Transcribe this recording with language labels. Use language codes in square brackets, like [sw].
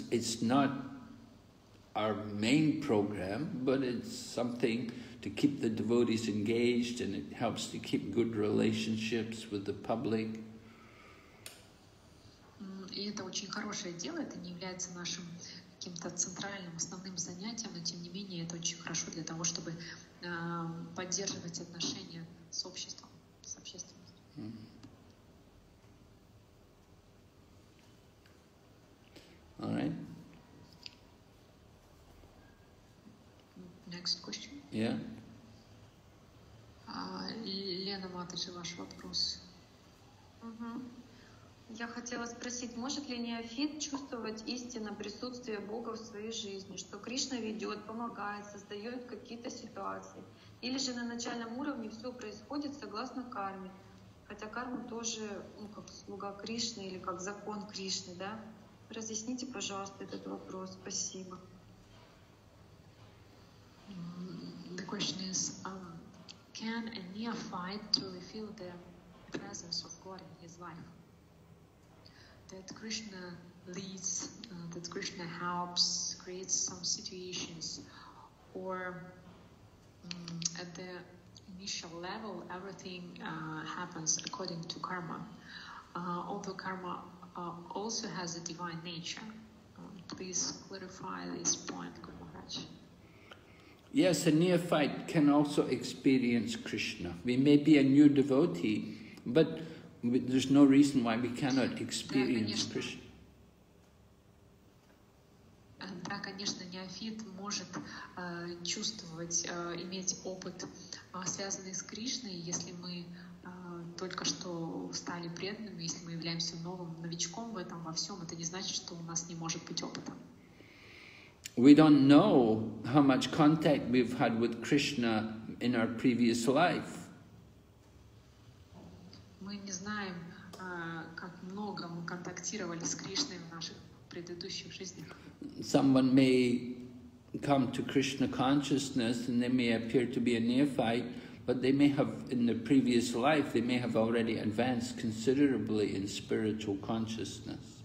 [en] It's not our main program, but it's something to keep the devotees engaged, and it helps to keep good relationships with the public. [ru] И это очень хорошее дело. Это не является нашим каким-то центральным основным занятием, но тем не менее это очень хорошо для того, чтобы поддерживать отношения с обществом, с общественностью. Mm-hmm. [en] All right. Next question. Yeah. [ru] Лена Матыша, ваш вопрос. Угу. Я хотела спросить, может ли неофит чувствовать истинно присутствие Бога в своей жизни, что Кришна ведет, помогает, создает какие-то ситуации? Или же на начальном уровне все происходит согласно карме? Хотя карма тоже, ну, как слуга Кришны или как закон Кришны, да? Разъясните, пожалуйста, этот вопрос. Спасибо. [en] The question is, can a neophyte truly feel the presence of God in his life? That Krishna leads, that Krishna helps, creates some situations, or at the initial level, everything happens according to karma. Although karma also has a divine nature. Please clarify this point, Guru Maharaj. Yes, a neophyte can also experience Krishna. We may be a new devotee, but There's no reason why we cannot experience Krishna. [ru] Да, конечно, неофит может чувствовать, иметь опыт, связанный с Кришной, если мы только что стали преданными, если мы являемся новым новичком в этом во всем, это не значит, что у нас не может быть опыта. [en] We don't know how much contact we've had with Krishna in our previous life. [ru] Мы не знаем, как много мы контактировали с Кришной в наших предыдущих жизнях. [en] Someone may come to Krishna consciousness and they may appear to be a neophyte, but they may have, in the previous life, they may have already advanced considerably in spiritual consciousness.